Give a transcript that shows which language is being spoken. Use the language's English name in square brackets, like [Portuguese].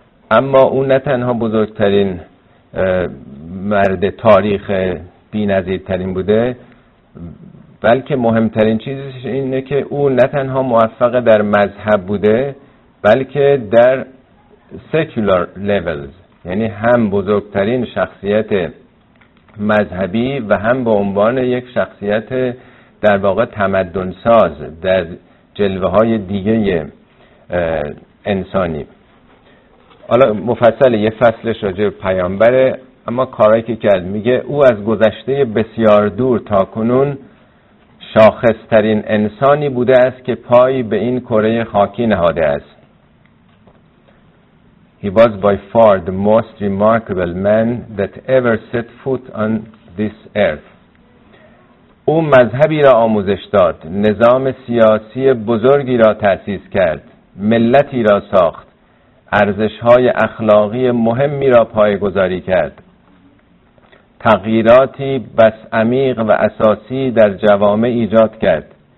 [Persian] اما اون نه تنها بزرگترین مرد تاریخ، بی نظیرترین بوده، بلکه مهمترین چیزش اینه که اون نه تنها موفق در مذهب بوده، بلکه در [English] secular levels، [Persian] یعنی هم بزرگترین شخصیت مذهبی و هم به عنوان یک شخصیت در واقع تمدن ساز در جلوه های دیگه انسانی. حالا مفصل یه فصلش راجع به پیامبره، اما کارهایی که کرد، میگه او از گذشته بسیار دور تا کنون شاخص ترین انسانی بوده است که پای به این کره خاکی نهاده است. [English] He was by far the most remarkable man that ever set foot on this earth. [Persian] او مذهبی را آموزش داد، نظام سیاسی بزرگی را تأسیس کرد، ملتی را ساخت، ارزش‌های اخلاقی مهمی را پایه‌گذاری کرد. تغییراتی بس عمیق و اساسی در جوامع ایجاد کرد.